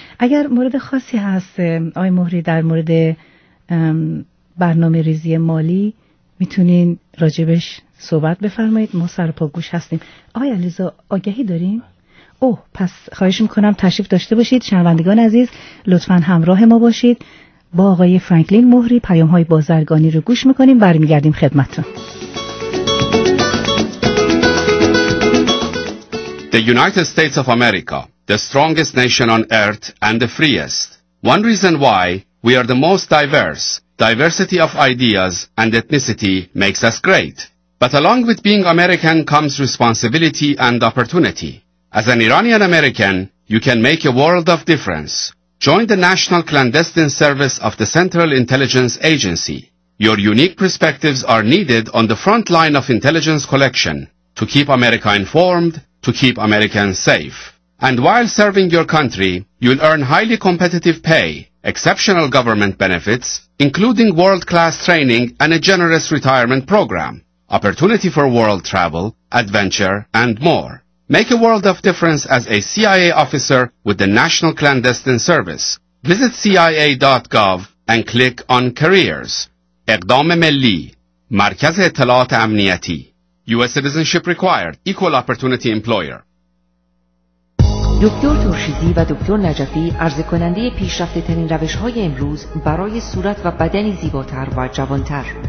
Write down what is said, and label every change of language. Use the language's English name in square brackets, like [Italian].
[Persian] اگر مورد خاصی هست آقای مهری در مورد برنامه ریزی مالی میتونین راجبش صحبت بفرمایید، ما سر پا گوش هستیم. آقای علیزاده آگهی دارین؟ اوه، پس خواهش میکنم تشریف داشته باشید. شنوندگان عزیز لطفاً همراه ما باشید با آقای فرانکلین مهری. پیام‌های بازرگانی رو گوش میکنیم، برمیگردیم خدمتتون. [English] The United States of America, the strongest nation on earth and the freest. One reason why we are the most diverse. Diversity of ideas and ethnicity makes us great. But along with being American comes responsibility and opportunity. As an Iranian American, you can make a world of difference. Join the National Clandestine Service of the Central Intelligence Agency. Your unique perspectives are needed on the front line of intelligence collection to keep America informed, to keep Americans safe. And while serving your country, you'll earn highly competitive pay, exceptional government benefits, including world-class training and a generous retirement program, opportunity for world travel, adventure, and more. Make a world of difference as a CIA officer with the National Clandestine Service. Visit CIA.gov and click on Careers. [Persian] اقدام ملی مرکز اطلاعات امنیتی. [English] U.S. citizenship required. Equal opportunity employer. [Persian] دکتر ترشیدی و دکتر نجفی عرضه کننده پیشرفته ترین روش های امروز برای صورت و بدنی زیباتر و جوانتر.